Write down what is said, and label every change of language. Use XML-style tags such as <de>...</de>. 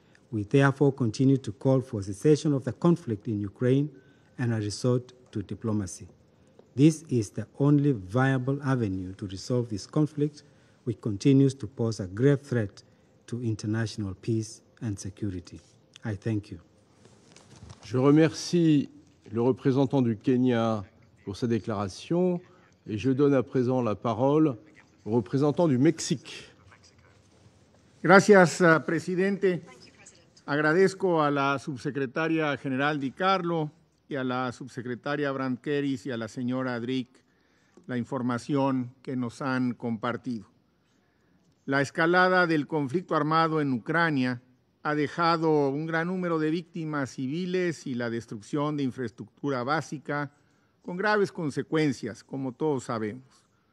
<en>We therefore continue to call for cessation of the conflict in Ukraine and a resort to diplomacy. This is the only viable avenue to resolve this conflict, which continues to pose a grave threat to international peace and security. I thank you.</en> <fr>Je remercie le représentant du Kenya pour sa déclaration et je donne à présent la parole au représentant du Mexique.</fr> <es>Gracias, Presidente. Agradezco a la subsecretaria general Di Carlo y a la subsecretaria Brandt-Keris y a la señora Drick la información que nos han compartido. La escalada del conflicto armado en Ucrania ha dejado un gran número de víctimas civiles y la destrucción de infraestructura básica con graves consecuencias, como todos sabemos.</es>